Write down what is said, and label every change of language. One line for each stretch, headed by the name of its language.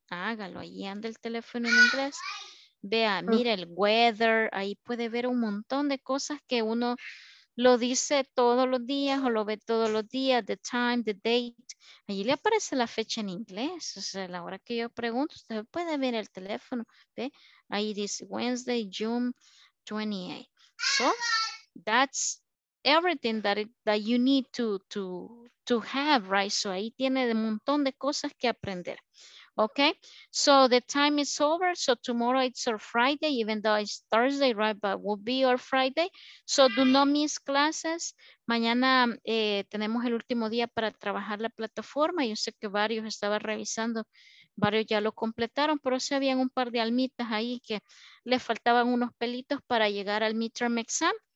Spanish: Hágalo. Ahí anda el teléfono en inglés. Vea, mire el weather. Ahí puede ver un montón de cosas que uno lo dice todos los días o lo ve todos los días,
English: the time, the date.
Spanish: Allí le aparece la fecha en inglés. O sea, la hora que yo pregunto, usted puede ver el teléfono. ¿Ve? Ahí dice Wednesday, June 28.
English: So, that's everything that you need to have, right?
Spanish: So, ahí tiene un montón de cosas que aprender.
English: Okay? So, the time is over. So, tomorrow it's our Friday, even though it's Thursday, right? But will be our Friday. So, do not miss classes.
Spanish: Mañana tenemos el último día para trabajar la plataforma. Yo sé que varios estaban revisando. Varios ya lo completaron, pero sí habían un par de almitas ahí que les faltaban unos pelitos para llegar al midterm exam.